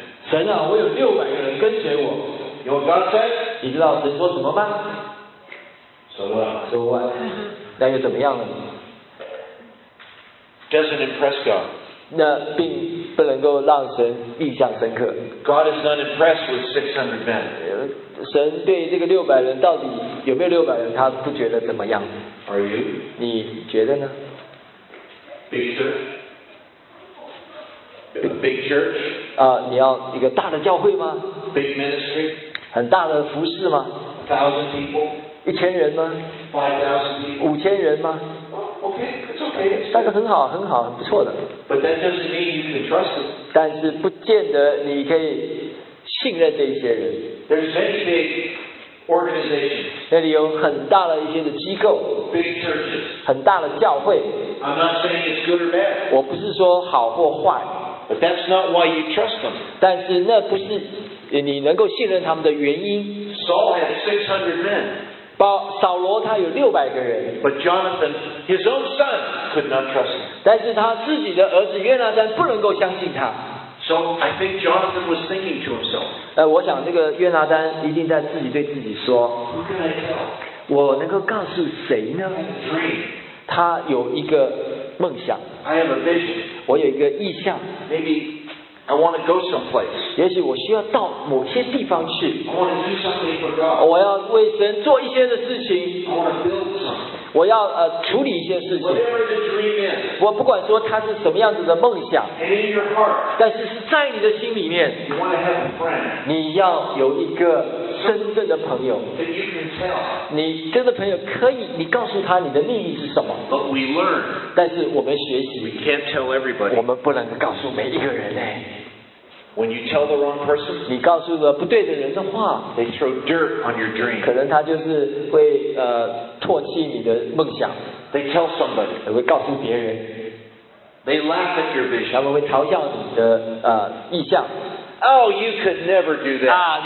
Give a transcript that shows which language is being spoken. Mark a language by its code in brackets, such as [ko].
[zh] 神啊，我有六百个人跟随我。 [en] You know what God said? [zh] 你知道神说什么吗 [en] ？So what? So what? [zh] 那又怎么样呢 [en] ？Doesn't impress God. [zh] 那并不能够让神印象深刻。 [en] God is not impressed with 600 men. [zh] 神对这个六百人到底有没有六百人，他不觉得怎么样。 [en] Are you? [zh] 你觉得呢 [en] ？Big sir. Big church? [zh] 你要一个大的教会吗 [en] ？Big ministry? [zh] 很大的服事吗 [en] ？1,000 people? [zh] 一千人吗 [en] ？5,000 people? [zh] 五千人吗 [en] ？Okay, it's okay. [zh] 那个很好，很好，不错的。 [en] But that doesn't mean you can trust them. [zh] 但是不见得你可以信任这些人。 [en] There's many big organizations. [zh] 那里有很大的一些的机构。 [en] Big churches. [zh] 很大的教会。 [en] I'm not saying it's good or bad. [zh] 我不是说好或坏。 [en] But that's not why you trust them. [zh] 但是那不是你能够信任他们的原因。 [en] Saul had 600 men. [zh] 扫罗他有六百个人。 [en] But Jonathan, his own son, could not trust him. [zh] 但是他自己的儿子约拿单不能够相信他。 [en] So I think Jonathan was thinking to himself. [zh] 我想这个约拿单一定在自己对自己说。 [en] Who can I tell? [zh] 我能够告诉谁呢 [en] ？Three. [zh] 他有一个梦想。 [en] I have a vision. [zh] 我有一个意向。 [en] Maybe I want to go someplace. [zh] 也许我需要到某些地方去。 [en] I want to do something for God. [zh] 我要为神做一些的事情。 [en] I want to build something. [zh] 我要处理一些事情。 [en] Whatever the dream is. [zh] 我不管说它是什么样子的梦想。 [en] And in your heart. [zh] 但是是在你的心里面。 [en] You want to have a friend. [zh] 你要有一个真正的朋友。 [en] That you can tell. [zh] 你真的朋友可以，你告诉他你的秘密是什么。 [en] But we learn. [zh] 但是我们学习。 [en] We can't tell everybody. [zh] 我们不能够告诉每一个人嘞。 [en] When you tell the wrong person, [zh] 你告诉了不对的人的话 [en] they throw dirt on your dream. [zh] 可能他就是会唾弃你的梦想 [en] they tell somebody. [zh] 他会告诉别人 [en] they laugh at your vision. [zh] 他们会嘲笑你的意向 [en] oh, you could never do that.